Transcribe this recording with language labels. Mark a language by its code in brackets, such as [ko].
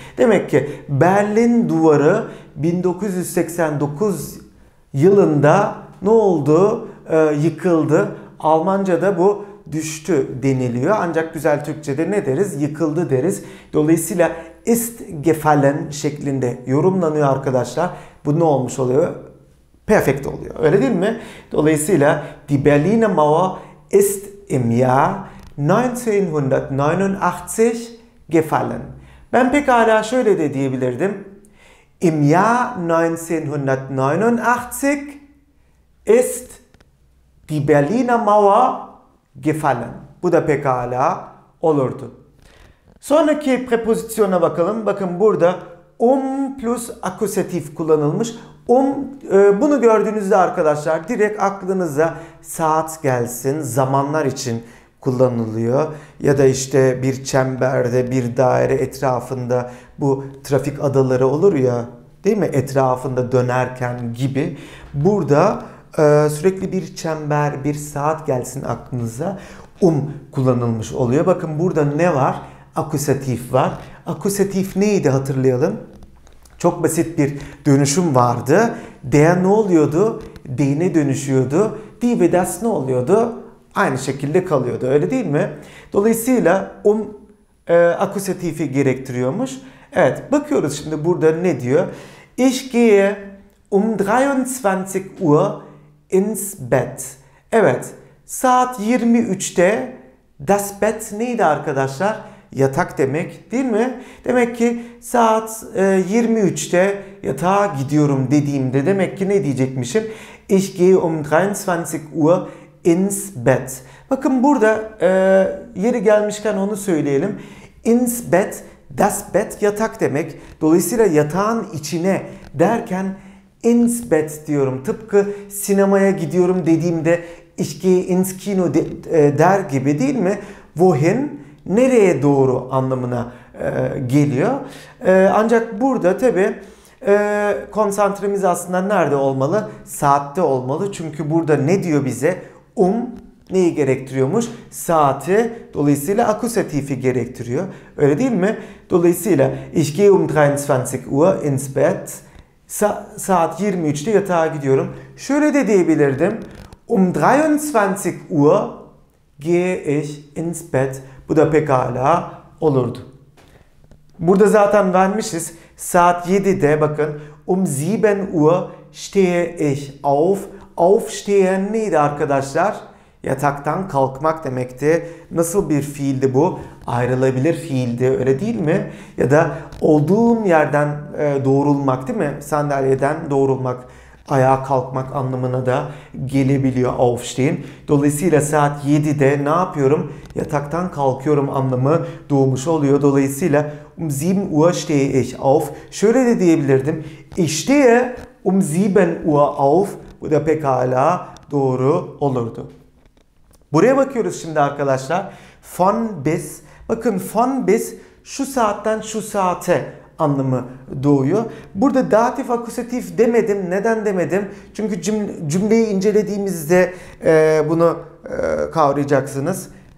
[tr] Demek ki Berlin duvarı 1989 yılında ne oldu? Yıkıldı. Almanca'da bu düştü deniliyor. Ancak güzel Türkçe'de ne deriz? Yıkıldı deriz. Dolayısıyla [de] ist gefallen [tr] şeklinde yorumlanıyor arkadaşlar. Bu ne olmuş oluyor? Perfect oluyor. Öyle değil mi? [de] Dolayısıyla die Berliner Mauer ist im Jahr 1989 gefallen. [tr] Ben pekala şöyle de diyebilirdim. [de] Im Jahr 1989 ist die Berliner Mauer gefallen. [tr] Bu da pekala olurdu. Sonraki prepozisyona bakalım. Bakın burada plus akusatif kullanılmış. Bunu gördüğünüzde arkadaşlar direkt aklınıza saat gelsin, zamanlar için kullanılıyor. Ya da işte bir çemberde, bir daire etrafında bu trafik adaları olur ya, değil mi? Etrafında dönerken gibi. Burada sürekli bir çember, bir saat gelsin aklınıza. Kullanılmış oluyor. Bakın burada ne var? Akusatif var. Akusatif neydi hatırlayalım? Çok basit bir dönüşüm vardı. Der ne oluyordu? Die'ne dönüşüyordu. Die ve das ne oluyordu? Aynı şekilde kalıyordu, öyle değil mi? Dolayısıyla akusatifi gerektiriyormuş. Evet, bakıyoruz şimdi burada ne diyor? [de] Ich gehe 23 Uhr ins Bett. Evet, [tr] Saat 23'te das Bett neydi arkadaşlar? Yatak demek, değil mi? Demek ki saat 23'te yatağa gidiyorum dediğimde demek ki ne diyecekmişim? [de] Ich gehe um 23 Uhr ins Bett. [tr] Bakın burada yeri gelmişken onu söyleyelim. Ins Bett, das Bett yatak demek. Dolayısıyla yatağın içine derken [de] ins Bett [tr] diyorum. Tıpkı sinemaya gidiyorum dediğimde [de] ich gehe ins Kino [tr] der gibi, değil mi? [de] Wohin? [tr] Nereye doğru anlamına geliyor. Ancak burada tabi konsantremiz aslında nerede olmalı? Saatte olmalı. Çünkü burada ne diyor bize? Neyi gerektiriyormuş? Saati. Dolayısıyla akusatifi gerektiriyor. Öyle değil mi? [de] Dolayısıyla ich gehe 23 Uhr ins Bett. [tr] Saat 23'te yatağa gidiyorum. Şöyle de diyebilirdim. [de] 23 Uhr gehe ich ins Bett. [tr] Bu da pekala olurdu. Burada zaten vermişiz. Saat 7'de bakın. [de] 7 Uhr stehe ich auf. [tr] Aufstehen neydi arkadaşlar? Yataktan kalkmak demekti. Nasıl bir fiildi bu? Ayrılabilir fiildi, öyle değil mi? Ya da olduğum yerden doğrulmak, değil mi? Sandalyeden doğrulmak, ayağa kalkmak anlamına da gelebiliyor aufstehen. Dolayısıyla saat 7'de ne yapıyorum? Yataktan kalkıyorum anlamı doğmuş oluyor. [de] Dolayısıyla 7 Uhr stehe ich auf. [tr] Şöyle de diyebilirdim. [de] Ich stehe 7 Uhr auf. [tr] Bu da pekala doğru olurdu. Buraya bakıyoruz şimdi arkadaşlar. Von bis. Bakın von bis şu saatten şu saate anlamı doğuyor. Burada datif akusatif demedim. Neden demedim? Çünkü cümleyi incelediğimizde bunu kavrayacaksınız.